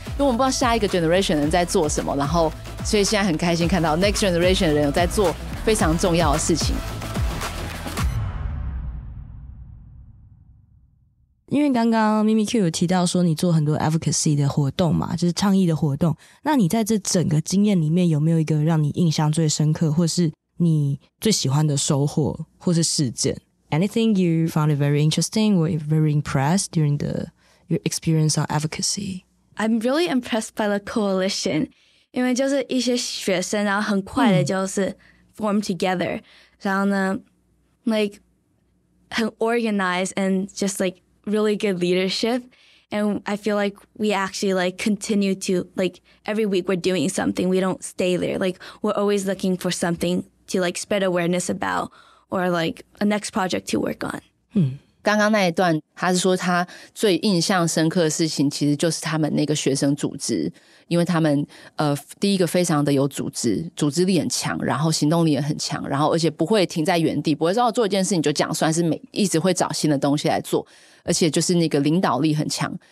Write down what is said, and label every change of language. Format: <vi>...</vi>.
<zh>因为我们不知道下一个 generation 人在做什么，然后所以现在很开心看到</zh> <en>next generation</en> <zh>的人有在做非常重要的事情。因为刚刚 MimiQ 有提到说你做很多 advocacy 的活动嘛，就是倡议的活动。那你在这整个经验里面有没有一个让你印象最深刻，或是？你最喜欢的收获或是事件</zh> <en>？Anything you found it very interesting or very impressed during your experience on advocacy? I'm really impressed by the coalition.</en> <zh>因为就是一些学生，然后很快的就是</zh> <en>form together，</en> <zh>然后呢</zh> <en>，like 很 organized and just like really good leadership。 And I feel like we actually like continue to like every week we're doing something. We don't stay there. Like we're always looking for something to like spread awareness about or like a next project to work on.</en> <zh>刚刚那一段他是说他最印象深刻的事情其实就是他们那个学生组织，因为他们第一个非常的有组织，组织力很强，然后行动力也很强，然后而且不会停在原地，不会说做一件事情就讲算是每一直会找新的东西来做，而且就是那个领导力很强。</zh>